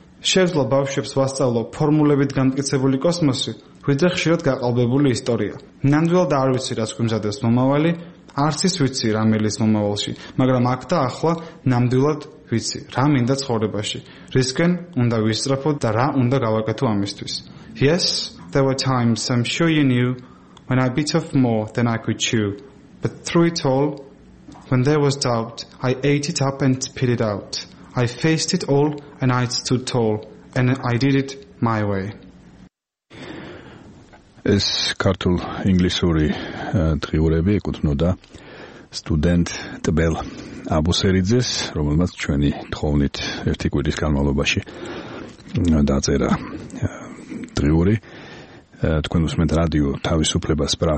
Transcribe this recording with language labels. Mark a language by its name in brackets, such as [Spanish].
[Georgian] შეიძლება ბავშვებს ვასწავლო ფორმულებით განმტკიცებული კოსმოსი, ვიძახ ხშირად გაყალბებული ისტორია. ნამდვილად არ ვიცი, რას გვიმზადებს მომავალი, არც ის ვიცი, რა მელის მომავალში, მაგრამ აქ და ახლა ნამდვილად ვიცი, რა მინდა ცხოვრებაში, რისკენ უნდა ვისწრაფო და რა უნდა გავაკეთო ამისთვის. [English] Yes, there were times, I'm sure you knew, when I bit off more than I could chew. But through it all, when there was doubt, I ate it up and spit it out. I faced it all and I stood tall, and I did it my way. [Georgian] ეს ქართულ ინგლისური დღიურები ეკუთვნოდა სტუდენტ ტბელ აბუსერიძეს, რომელმაც ჩვენი თხოვნით ერთი კვირის განმავლობაში დაწერა დღიური. თქვენ უსმენთ რადიო თავისუფლებას პრაღა.